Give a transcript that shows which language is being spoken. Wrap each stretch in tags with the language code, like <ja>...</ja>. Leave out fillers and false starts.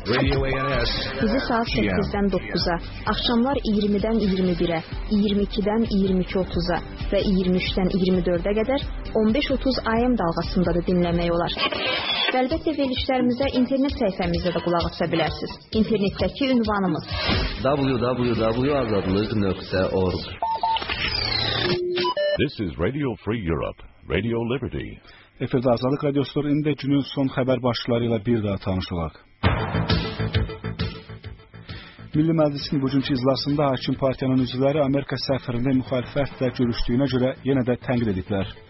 <az>Bizi saat 8-dən 9-a, axşamlar 20-dən 21-ə, 22-dən 22.30-a və 23-dən 24-ə qədər 15.30 AM dalğasında da dinləmək olar. Əlbəttə, verilişlərimizə internet səhifəmizdə də qulaq asa bilərsiniz. İnternetdəki ünvanımız www.azadlıq.org.</az> <en>This is Radio Free Europe, Radio Liberty.</en> <az>Efirde Azalıq Radyosu indi günün son xəbər başlıqları ilə bir daha tanış olaq. Milli Məclisin bugünkü iclasında hakim partiyanın üzvləri Amerika səfirini müxalifətlə görüşdüyünə görə yenə də tənqid ediblər.</az>